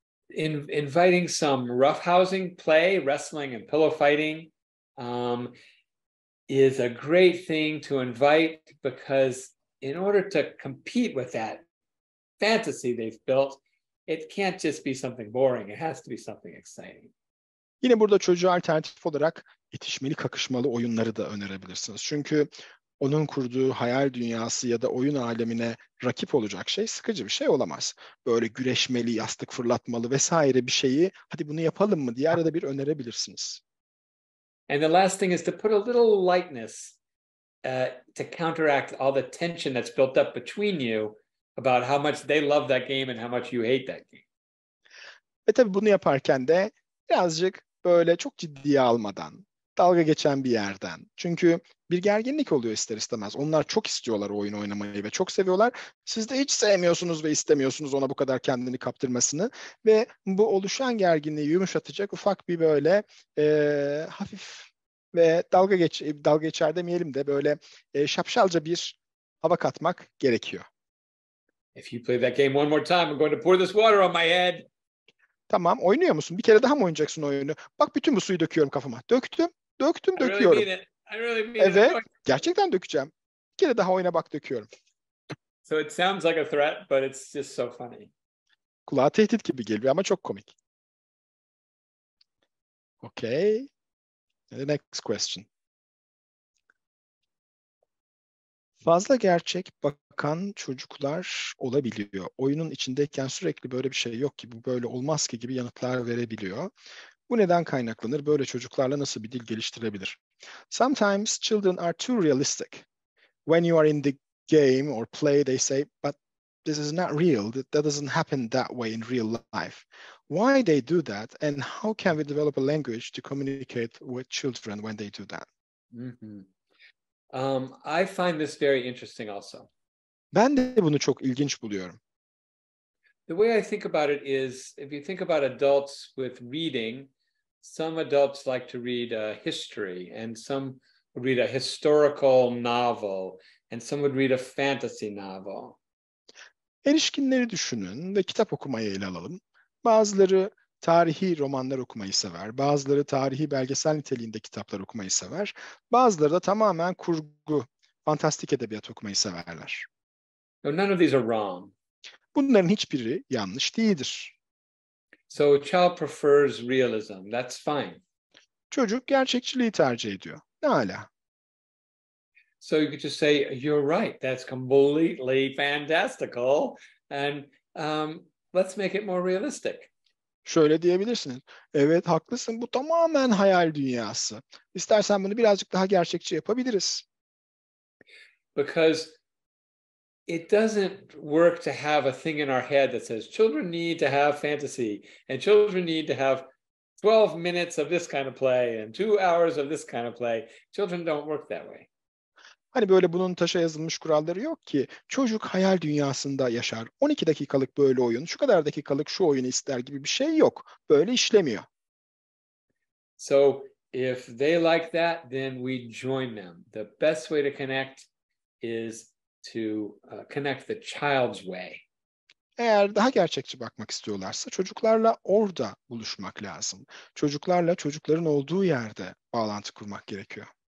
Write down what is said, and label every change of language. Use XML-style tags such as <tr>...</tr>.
<en>Inviting some roughhousing play, wrestling and pillow fighting is a great thing to invite because in order to compete with that fantasy they've built, it can't just be something boring. It has to be something exciting.</en> <tr>Yine burada çocuğa alternatif olarak itişmeli, kakışmalı oyunları da önerebilirsiniz. Çünkü onun kurduğu hayal dünyası ya da oyun alemine rakip olacak şey sıkıcı bir şey olamaz. Böyle güreşmeli, yastık fırlatmalı vesaire bir şeyi hadi bunu yapalım mı diye arada bir önerebilirsiniz.</tr> <en>And the last thing is to put a little lightness to counteract all the tension that's built up between you about how much they love that game and how much you hate that game.</en> <tr>E tabii bunu yaparken de birazcık böyle çok ciddiye almadan, dalga geçen bir yerden. Çünkü bir gerginlik oluyor ister istemez. Onlar çok istiyorlar o oyunu oynamayı ve çok seviyorlar. Siz de hiç sevmiyorsunuz ve istemiyorsunuz ona bu kadar kendini kaptırmasını. Ve bu oluşan gerginliği yumuşatacak ufak bir böyle hafif ve dalga geçer demeyelim de böyle şapşalca bir hava katmak gerekiyor.</tr> <en>If you play that game one more time, I'm going to pour this water on my head.</en> <tr>Tamam, oynuyor musun? Bir kere daha mı oynayacaksın oyunu? Bak bütün bu suyu döküyorum kafama. Döktüm, döküyorum. Evet, gerçekten dökeceğim. Bir kere daha oyna bak, döküyorum.</tr> <en>So it sounds like a threat, but it's just so funny.</en> <tr>Kulağa tehdit gibi geliyor ama çok komik.</tr> <en>Okay. The next question.</en> <tr>Fazla gerçek bakan çocuklar olabiliyor. Oyunun içindeyken sürekli böyle bir şey yok ki, bu böyle olmaz ki gibi yanıtlar verebiliyor. Bu neden kaynaklanır? Böyle çocuklarla nasıl bir dil geliştirebilir?</tr> <en>Sometimes children are too realistic. When you are in the game or play, they say, but this is not real, that doesn't happen that way in real life. Why they do that, and how can we develop a language to communicate with children when they do that? Mm-hmm. I find this very interesting also.</en> <tr>Ben de bunu çok ilginç buluyorum.</tr> <en>The way I think about it is, if you think about adults with reading, some adults like to read history, and some read a historical novel, and some would read a fantasy novel.</en> <tr>Erişkinleri düşünün ve kitap okumayı ele alalım. Bazıları tarihi romanlar okumayı sever, bazıları tarihi belgesel niteliğinde kitaplar okumayı sever, bazıları da tamamen kurgu, fantastik edebiyat okumayı severler.</tr> <en>No, none of these are wrong.</en> <tr>Bunların hiçbiri yanlış değildir.</tr> <en>So a child prefers realism. That's fine.</en> <tr>Çocuk gerçekçiliği tercih ediyor. Ne ala?</tr> <en>So you could just say you're right. That's completely fantastical, and let's make it more realistic.</en> <tr>Şöyle diyebilirsiniz. Evet, haklısın. Bu tamamen hayal dünyası. İstersen bunu birazcık daha gerçekçi yapabiliriz.</tr> <en>Because it doesn't work to have a thing in our head that says children need to have fantasy and children need to have 12 minutes of this kind of play and 2 hours of this kind of play. Children don't work that way.</en> <tr>Hani böyle bunun taşa yazılmış kuralları yok ki. Çocuk hayal dünyasında yaşar. 12 dakikalık böyle oyun, şu kadar dakikalık şu oyunu ister gibi bir şey yok. Böyle işlemiyor.</tr> <en>So if they like that, then we join them. The best way to connect is to connect the child's way.</en> <tr>Eğer daha gerçekçi bakmak istiyorlarsa çocuklarla orada buluşmak lazım. Çocuklarla çocukların olduğu yerde bağlantı kurmak gerekiyor.</tr>